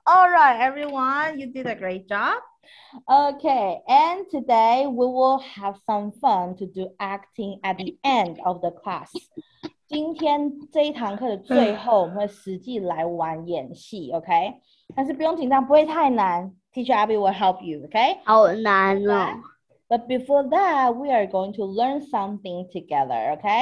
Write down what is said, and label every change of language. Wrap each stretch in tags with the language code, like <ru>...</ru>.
<en>All right, everyone, you did a great job. Okay, and today we will have some fun to do acting at the end of the class.</en> <zh>今天这一堂课的最后，我们会实际来玩演戏 ，OK？但是不用紧张，不会太难。</zh> <en>Teacher Abby will help you， OK？</en> <zh>好难哦。</zh> <en>But before that， we are going to learn something together， OK？</en>